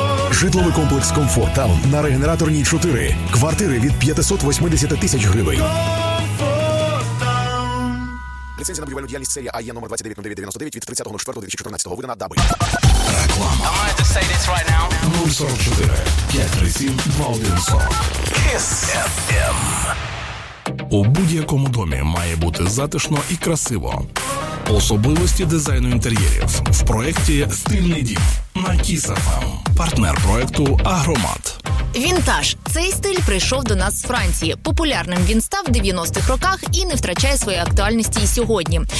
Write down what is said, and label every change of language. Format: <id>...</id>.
<uk>Житловий комплекс «Комфорт Таун» на Регенераторній 4. Квартири від 580 тисяч гривень. Ліцензія на будівельну діяльність серія АЄ номер 29099 від 30.04.2014 видана ДАБИ. Реклама.</uk> <en>I'm going to say this right now.</en> <uk>044-537-2140. Kiss FM. У будь-якому домі має бути затишно і красиво. Особливості дизайну інтер'єрів в проєкті «Стильний дім» на Kiss FM. Партнер проєкту «Агромат». Вінтаж. Цей стиль прийшов до нас з Франції. Популярним він став в 90-х роках і не втрачає своєї актуальності і сьогодні.</uk>